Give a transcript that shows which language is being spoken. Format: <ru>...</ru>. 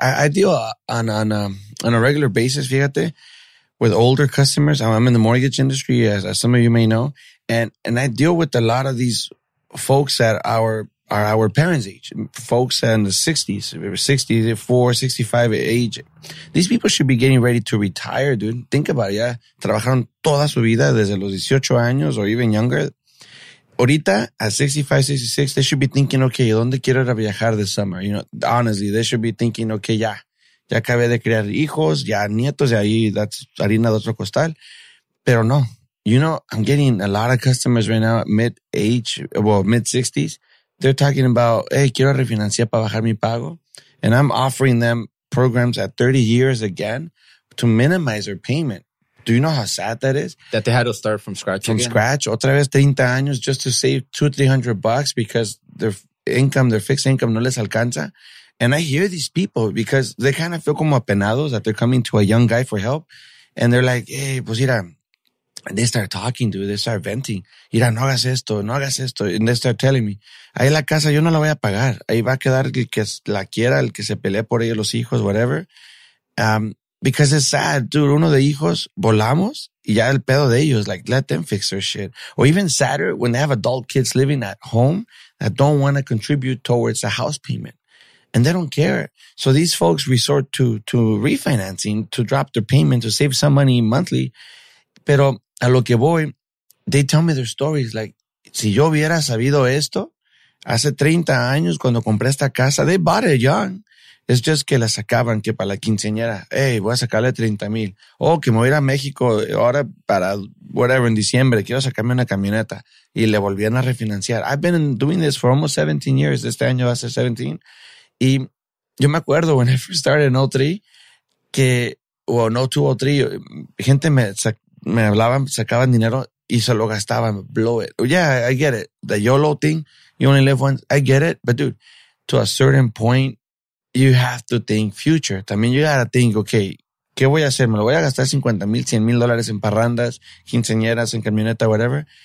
<en>I deal on a regular basis,</en> <es>fíjate,</es> <en>with older customers. I'm in the mortgage industry, as some of you may know. And I deal with a lot of these folks that are are our parents' age. Folks in the 60s, 64, 65 age. These people should be getting ready to retire, dude. Think about it, yeah.</en> <es>Trabajaron toda su vida desde los 18 años</es> <en>or even younger. Ahorita, at 65, 66, they should be thinking, okay,</en> <es>¿dónde quiero ir a viajar</es> <en>this summer? You know, honestly, they should be thinking, okay,</en> <es>ya. Ya acabé de criar hijos, ya nietos, y ahí</es> <en>that's</en> <es>harina de otro costal. Pero no.</es> <en>You know, I'm getting a lot of customers right now, mid-age, well, mid-60s. They're talking about, hey,</en> <es>quiero refinanciar para bajar mi pago.</es> <en>And I'm offering them programs at 30 years again to minimize their payment. Do you know how sad that is? That they had to start from scratch from again? From scratch,</en> <es>otra vez 30 años</es> <en>just to save $200-$300 because their income, their fixed income</en> <es>no les alcanza.</es> <en>And I hear these people because they kind of feel</en> <es>como apenados</es> <en>that they're coming to a young guy for help. And they're like, hey,</en> <es>pues mira.</es> <en>And they start talking, dude. They start venting.</en> <es>Mira, no hagas esto, no hagas esto.</es> <en>And they start telling me,</en> <es>ahí la casa yo no la voy a pagar. Ahí va a quedar el que la quiera, el que se pelee por ella, los hijos, whatever.</es> <en>Because it's sad, dude.</en> <es>Uno de hijos, volamos y ya el pedo de ellos.</es> <en>Like, let them fix their shit. Or even sadder, when they have adult kids living at home that don't want to contribute towards a house payment. And they don't care. So these folks resort to refinancing to drop their payment, to save some money monthly.</en> <es>Pero a lo que voy,</es> <en>they tell me their stories.</en> <es>Like, si yo hubiera sabido esto, hace 30 años cuando compré esta casa,</es> <en>they bought it young. It's just</en> <es>que la sacaban, que para la quinceañera, hey, voy a sacarle 30 mil. Oh, que me voy a ir a México ahora para whatever, en diciembre, quiero sacarme una camioneta. Y le volvían a refinanciar.</es> <en>I've been doing this for almost 17 years.</en> <es>Este año va a ser 17. Y yo me acuerdo</es> <en>when I first started in 03,</en> <es>que, well, no 2003, gente me hablaban, sacaban dinero y se lo gastaban,</es> <en>blow it. Yeah, I get it. The YOLO thing, you only live once, I get it. But dude, to a certain point, you have to think future.</en> <es>También</es> <en>you gotta think, okay,</en> <es>¿qué voy a hacer? ¿Me lo voy a gastar 50 mil, 100 mil dólares en parrandas, quinceañeras, en camioneta, whatever?</es>